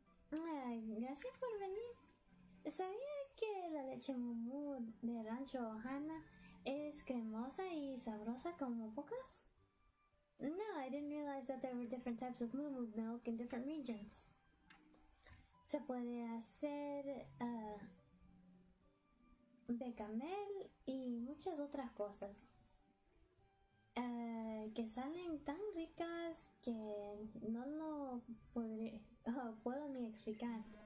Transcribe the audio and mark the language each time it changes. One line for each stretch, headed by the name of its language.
Spanish: Ay, gracias por venir. ¿Sabía que la leche mumu de Rancho Ohana es cremosa y sabrosa como pocas?
English: No, I didn't realize that there were different types of mumu milk in different regions.
Spanish: Se puede hacer bechamel y muchas otras cosas que salen tan ricas que no lo podré, puedo ni explicar.